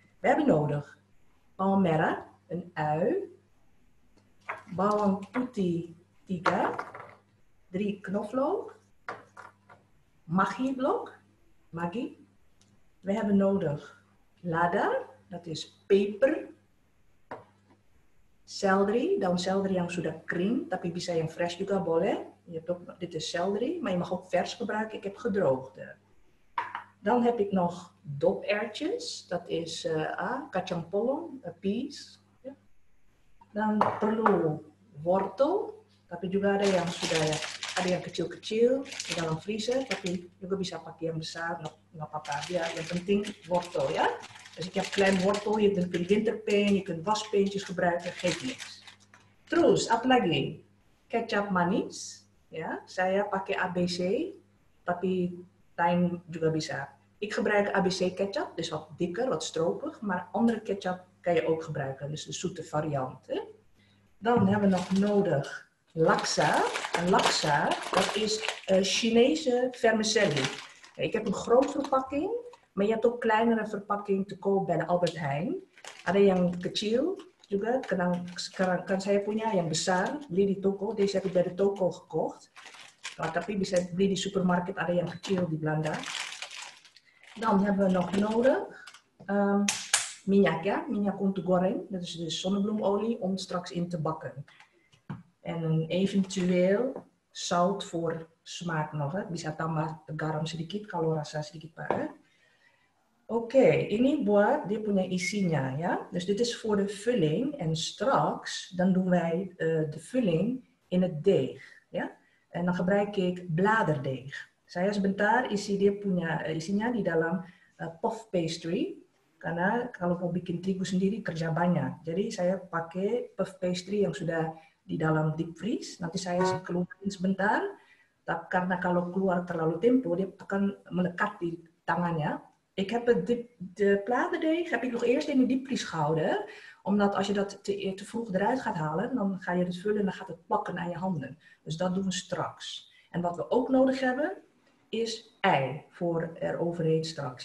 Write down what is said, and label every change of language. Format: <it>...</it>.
<nl>We hebben nodig bawang merah, een ui, bawang putih tiga, drie knoflook, magi. We hebben nodig lada, dat is peper.</nl> <id>Selderi, daun selderi yang sudah kering, tapi bisa yang fresh juga boleh.</id> <nl>Je hebt ook, dit is selderi, maar je mag ook vers gebruiken. Ik heb gedroogde. Dan heb ik nog dopertjes. Dat is kacang polong, peas. Ja.</nl> <id>Dan perlu wortel. Tapi juga ada yang sudah, ada yang kecil-kecil di dalam freezer. Tapi juga bisa pakai yang besar, nggak apa-apa. Ya, yang penting wortel, ja.</id> <nl>Dus ik heb klein wortel, je kunt winterpeen, je kunt waspeentjes gebruiken, geeft niks.</nl> <id>Terus, apalagi, ketchup manis. Ja, saya pakai ABC, tapi Tijn juga bisa.</id> <nl>Ik gebruik ABC ketchup, dus wat dikker, wat stroperig. Maar andere ketchup kan je ook gebruiken, dus de zoete variant. Hè? Dan hebben we nog nodig laksa. En laksa, dat is Chinese vermicelli. Ja, ik heb een grote verpakking. Maar je hebt ook kleinere verpakking te koop bij de Albert Heijn.</nl> <id>Ada yang kecil juga, kan saya punya yang besar, beli di toko.</id> <nl>Deze heb ik bij de toko gekocht. Maar</nl> <id>tapi bisa beli di supermarket, ada yang kecil di Belanda.</id> <nl>Dan hebben we nog nodig</nl> <id>minyak, ya. Minyak untuk goreng.</id> <nl>Dat is dus zonnebloemolie om straks in te bakken. En eventueel zout voor smaak nog.</nl> <id>Hè. Bisa tambah garam sedikit, kalau rasa sedikit pak. Oké, okay, ini buat dia punya isinya, ya.</id> <nl>Dus dit is voor de vulling en straks dan doen wij de vulling in het deeg, ya. En dan gebruik ik bladerdeeg.</nl> <id>Saya sebentar isi dia punya isinya di dalam puff pastry. Karena kalau mau bikin terigu sendiri kerja banyak. Jadi saya pakai puff pastry yang sudah di dalam deep freeze. Nanti saya keluarin sebentar. Tapi karena kalau keluar terlalu tempo dia akan melekat di tangannya.</id> <nl>Ik heb de bladerdeeg heb ik nog eerst in de diepvries gehouden. Omdat als je dat te vroeg eruit gaat halen, dan ga je het vullen en dan gaat het plakken aan je handen. Dus dat doen we straks. En wat we ook nodig hebben, is ei voor eroverheen straks.</nl>